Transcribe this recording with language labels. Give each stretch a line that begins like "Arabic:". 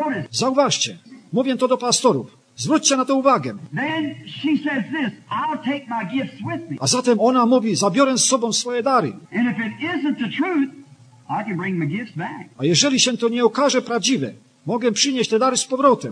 Polish: Zauważcie, mówię to do pastorów. Zwróćcie na to uwagę.
English: Then she says this, I'll take my gifts with me.
Polish: A zatem ona mówi, zabiorę z sobą swoje dary.
English: And if it isn't the truth, I can bring my gifts back.
Polish: A jeżeli się to nie okaże prawdziwe, mogę przynieść te dary z powrotem.